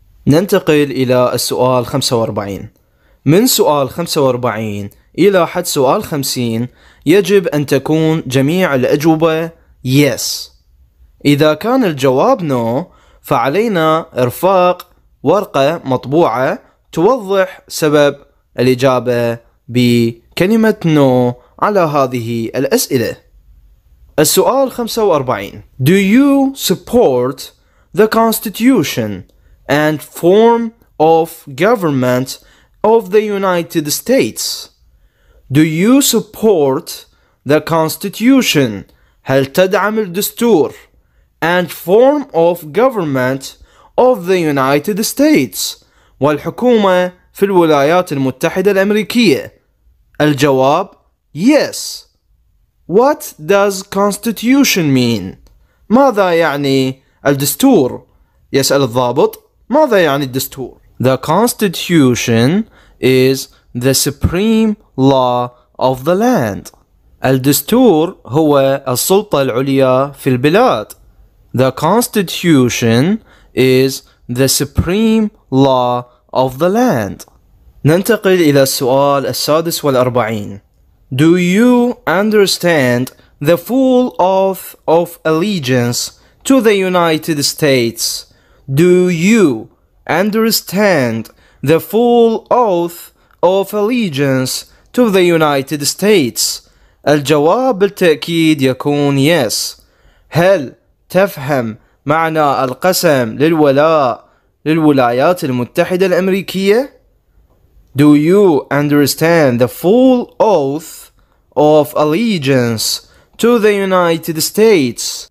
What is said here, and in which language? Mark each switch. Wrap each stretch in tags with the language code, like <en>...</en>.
<ar>ننتقل إلى السؤال 45. من سؤال 45 إلى حد سؤال 50 يجب أن تكون جميع الأجوبة yes. إذا كان الجواب no فعلينا إرفاق ورقة مطبوعة توضح سبب الإجابة بكلمة no على هذه الأسئلة. السؤال 45.</ar> <en>Do you support the Constitution and form of government of the United States? Do you support the Constitution?</en> <ar>هل تدعم الدستور</ar> <en>and form of government of the United States</en> <ar>والحكومة في الولايات المتحدة الأمريكية؟ الجواب yes.</ar> <en>What does constitution mean?</en> <ar>ماذا يعني الدستور؟ يسأل الضابط ماذا يعني الدستور؟</ar> <en>The constitution is the supreme law of the land.</en> <ar>الدستور هو السلطة العليا في البلاد.</ar> <en>The constitution is the supreme law of the land.</en> <ar>ننتقل إلى السؤال 46.</ar> <en>Do you understand the full oath of allegiance to the United States? Do you understand the full oath of allegiance to the United States?</en> <ar>الجواب بالتأكيد يكون yes. هل تفهم معنى القسم للولاء للولايات المتحدة الأمريكية؟</ar> <en>Do you understand the full oath of allegiance to the United States?</en>